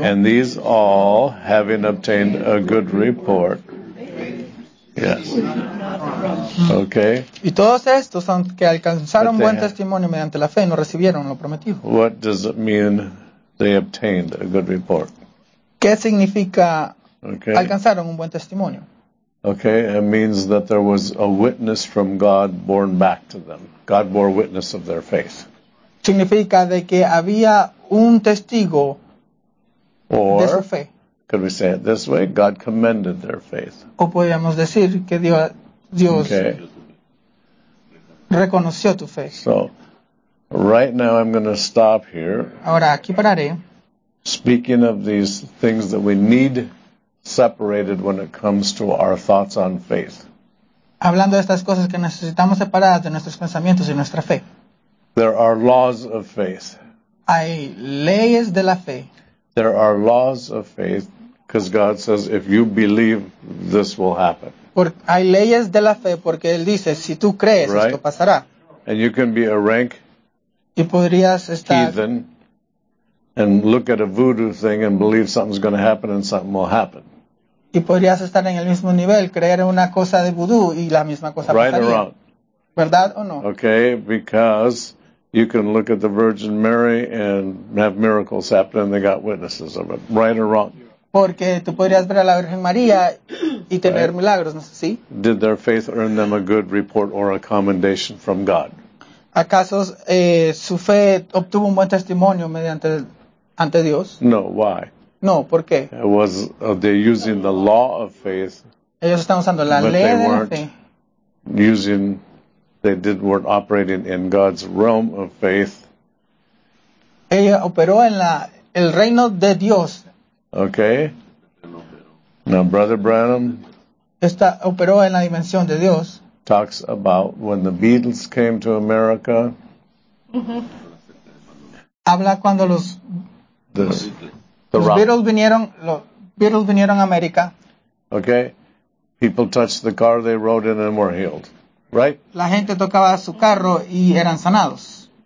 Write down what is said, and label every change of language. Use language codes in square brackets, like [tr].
[en] And these all, having obtained a good report, yes. Okay. [es] Y todos estos que alcanzaron buen testimonio mediante la fe no recibieron lo prometido. [en] What does it mean they obtained a good report? [es] ¿Qué significa alcanzaron un buen testimonio? [en] Okay, it means that there was a witness from God borne back to them. God bore witness of their faith. [es] Significa de que había un testigo [en] or, [es] de su fe. [en] Could we say it this way? God commended their faith. [es] O podríamos decir que Dios okay. reconoció tu fe. [en] So, right now I'm going to stop here. [es] Ahora aquí pararé. [en] Speaking of these things that we need separated when it comes to our thoughts on faith. [es] Hablando de estas cosas que necesitamos separadas de nuestros pensamientos y nuestra fe. [en] There are laws of faith. [es] Hay leyes de la fe. [en] There are laws of faith because God says if you believe this will happen. [es] Porque hay leyes de la fe porque él dice si tú crees [en] right? [es] esto pasará. [en] And you can be a rank [es] y podrías estar [en] heathen and look at a voodoo thing and believe something's going to happen and something will happen. [es] Y podrías estar en el mismo nivel, creer en una cosa de vudú y la misma cosa [en] right [es] pasaría. [en] Or wrong. [es] ¿Verdad o no? [en] Okay, because you can look at the Virgin Mary and have miracles happen and they got witnesses of it. Right or wrong? [es] Porque tú podrías ver a la Virgen María y tener [en] right. [es] milagros, ¿no es así? [en] Did their faith earn them a good report or a commendation from God? [es] ¿Acaso su fe obtuvo un buen testimonio mediante ante Dios? [en] No, why? [es] No, ¿por qué? [en] It was they're using the law of faith. [es] Ellos están usando la ley de la fe. [en] Weren't operating in God's realm of faith. [es] Ella operó en el reino de Dios. [en] Okay. Now, Brother Branham. [es] Esta operó en la dimensión de Dios. [en] Talks about when the Beatles came to America. [es] Habla cuando los Beatles vinieron a América. [en] Okay. People touched the car they rode in and were healed. Right? [es] La gente tocaba su carro y eran sanados.